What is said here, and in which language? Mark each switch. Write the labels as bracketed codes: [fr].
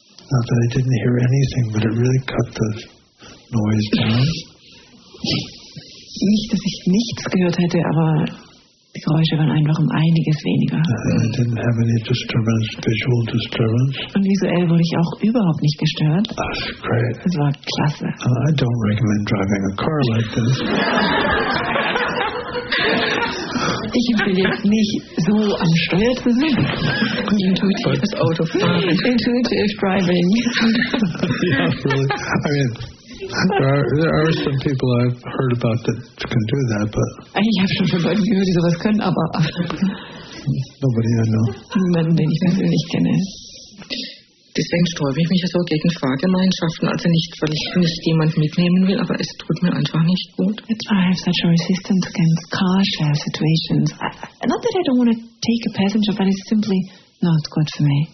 [en] Not that I didn't hear anything, but it really cut the noise down. [de] Nicht, dass ich nichts gehört hätte, aber die Geräusche waren einfach um einiges weniger. [en] I didn't have any disturbance, visual disturbance. [de] Und visuell wurde ich auch überhaupt nicht gestört. [en] That's great. [de] Das war klasse. [en] I don't recommend driving a car like this. [de] Ich empfehle jetzt nicht, so am Steuer zu sitzen. Intuitives Autofahren. [en] Intuitive driving. Yeah, really. I mean, There are some people I've heard about that can do that, but... [de] Ich habe schon von Leuten gehört, die sowas können, aber... [en] Nobody I know. [de] Niemanden, den ich persönlich kenne. Deswegen sträube ich mich so gegen Fahrgemeinschaften, also nicht, weil ich nicht jemand mitnehmen will, aber es tut mir einfach nicht gut. [en] That's why I have such a resistance against car share situations. Not that I don't want to take a passenger, but it's simply not good for me.